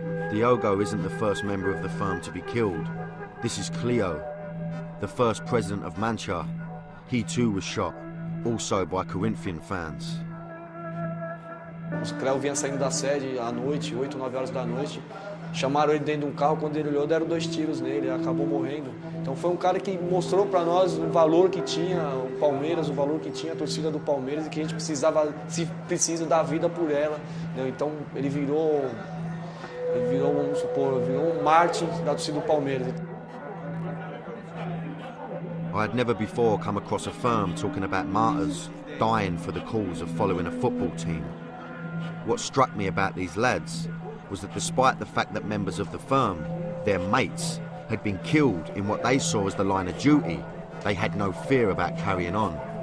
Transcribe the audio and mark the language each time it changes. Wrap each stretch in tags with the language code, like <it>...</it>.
<en>Diogo isn't the first member of the firm to be killed. This is Cleo, the first president of Mancha. He too was shot, also by Corinthian fans.</en> <pt>O Cleo vinha saindo da sede à noite, 8, 9 horas da noite. Chamaram ele dentro de um carro, quando ele olhou, deram dois tiros nele, ele acabou morrendo. Então foi um cara que mostrou para nós o valor que tinha o Palmeiras, o valor que tinha a torcida do Palmeiras e que a gente precisava, se precisa, dar vida por ela. Né? Então ele virou, vamos supor, virou um mártir da torcida do Palmeiras.</pt> <en>I had never before come across a firm talking about martyrs dying for the cause of following a football team. What struck me about these lads was that despite the fact that members of the firm, their mates, had been killed in what they saw as the line of duty, they had no fear about carrying on.</en>